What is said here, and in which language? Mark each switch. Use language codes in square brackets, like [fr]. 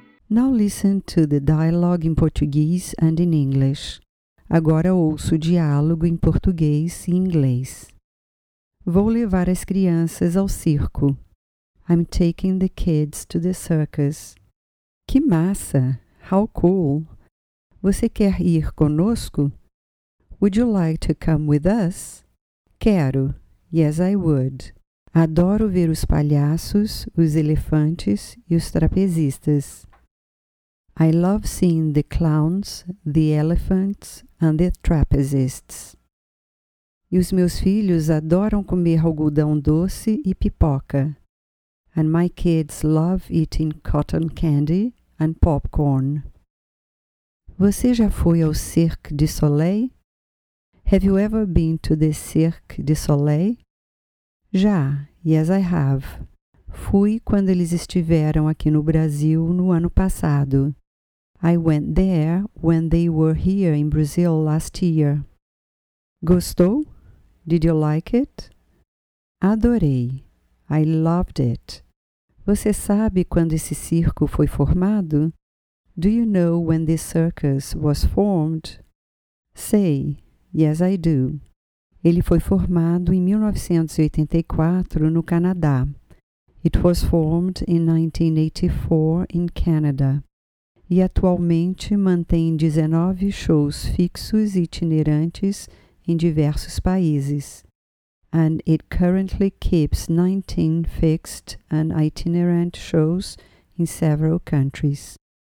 [en] Now listen to the dialogue in Portuguese and in English. [pt] Agora ouço o diálogo em português e inglês. Vou levar as crianças ao circo. [en] I'm taking the kids to the circus. [pt] Que massa! [en] How cool! [pt] Você quer ir conosco? [en] Would you like to come with us? [pt] Quero. [en] Yes, I would. [pt] Adoro ver os palhaços, os elefantes e os trapezistas. [en] I love seeing the clowns, the elephants and the trapezists. [pt] E os meus filhos adoram comer algodão doce e pipoca. [en] And my kids love eating cotton candy and popcorn. [pt] Você já foi ao Cirque du Soleil? [en] Have you ever been to the Cirque du Soleil? [pt] Já, [en] yes I have. [pt] Fui quando eles estiveram aqui no Brasil no ano passado. [en] I went there when they were here in Brazil last year. [pt] Gostou? [en] Did you like it? [pt] Adorei. [en] I loved it. [pt] Você sabe quando esse circo foi formado? [en] Do you know when this circus was formed? [pt] Sei. [en] Yes, I do. [pt] Ele foi formado em 1984 no Canadá. [en] It was formed in 1984 in Canada. [pt] E atualmente mantém 19 shows fixos e itinerantes em diversos países. [en] And it currently keeps 19 fixed and itinerant shows in several countries.